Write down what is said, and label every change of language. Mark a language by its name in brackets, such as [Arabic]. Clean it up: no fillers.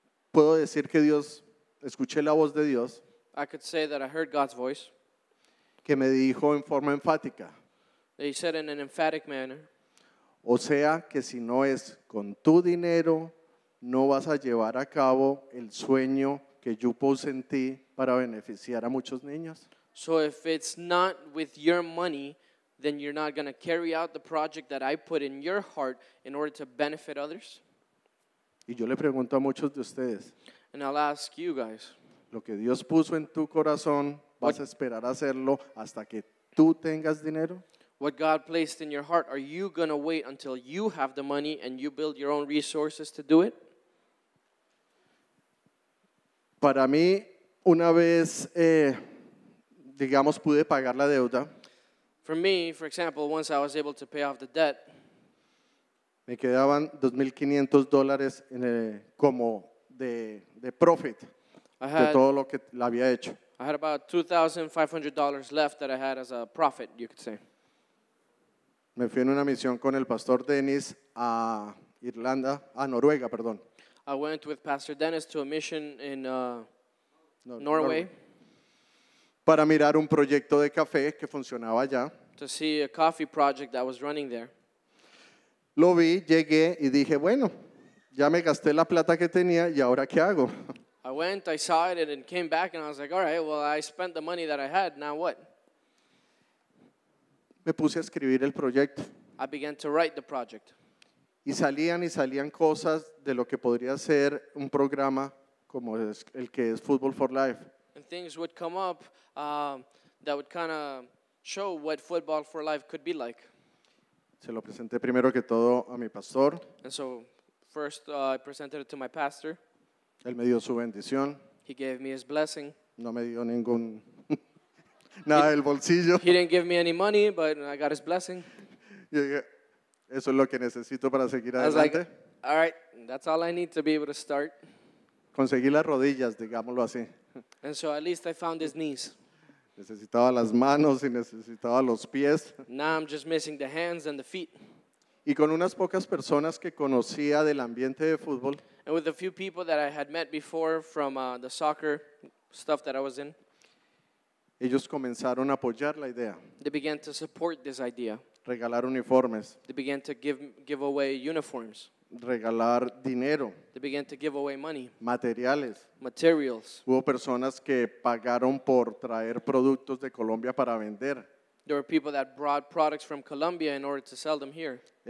[Spanish] Puedo decir que Dios, escuché la voz de Dios. [English] I could say that I heard God's voice. [Spanish] Que me dijo en forma enfática. [English] That he said in an emphatic manner. [Spanish] O sea, que si no es con tu dinero, no vas a llevar a cabo el sueño que yo puse en ti para beneficiar a muchos niños. [English] So if it's not with your money, then you're not going to carry out the project that I put in your heart in order to benefit others. [Spanish] Y yo le pregunto a muchos de ustedes. [English] And I'll ask you guys. [Spanish] Lo que Dios puso en tu corazón, ¿vas a esperar hacerlo hasta que tú tengas dinero? [English] What God placed in your heart, are you going to wait until you have the money and you build your own resources to do it? [Spanish] Para mí, una vez, digamos, pude pagar la deuda. [English] For me, for example, once I was able to pay off the debt. [Spanish] Me quedaban $2,500 en el, como de profit [English] had, [Spanish] de todo lo que la había hecho. [English] I had about $2,500 left that I had as a profit, you could say. [Spanish] Me fui en una misión con el pastor Dennis a Irlanda, a Noruega, perdón. [English] I went with Pastor Dennis to a mission in Norway. [Spanish] Para mirar un proyecto de café que funcionaba allá. [English] To see a coffee project that was running there. [Spanish] Lo vi, llegué y dije, bueno, ya me gasté la plata que tenía y ahora ¿qué hago? [English] I went, I saw it and came back and I was like, all right, well, I spent the money that I had, now what? [Spanish] Me puse a escribir el proyecto. [English] I began to write the project. [Spanish] Y salían cosas de lo que podría ser un programa como el que es Football for Life. [English] And things would come up that would kind of show what Football for Life could be like. [Spanish] Se lo presenté primero que todo a mi pastor. [English] And so, first I presented it to my pastor. [Spanish] Él me dio su bendición. [English] He gave me his blessing. [Spanish] No me dio ningún Nada, el bolsillo. [English] He didn't give me any money, but I got his blessing. [Spanish] Eso es lo que necesito para seguir adelante. [English] Like, all right, that's all I need to be able to start. [Spanish] Conseguí las rodillas, digámoslo así. [English] And so at least I found his knees. [Spanish] Necesitaba las manos y necesitaba los pies. [English] Now I'm just missing the hands and the feet. [Spanish] Y con unas pocas personas que conocía del ambiente de fútbol. [English] And with a few people that I had met before from the soccer stuff that I was in. [Spanish] Ellos comenzaron a apoyar la idea. [English] They began to support this idea. [Spanish] Regalar uniformes. [English] They began to give away uniforms. [Spanish] Regalar dinero. [English] They began to give away money. [Spanish] Materiales. [English] Materials. [Spanish] Hubo personas que pagaron por traer productos de Colombia para vender. [English] There were people that brought products from Colombia in order to sell them here.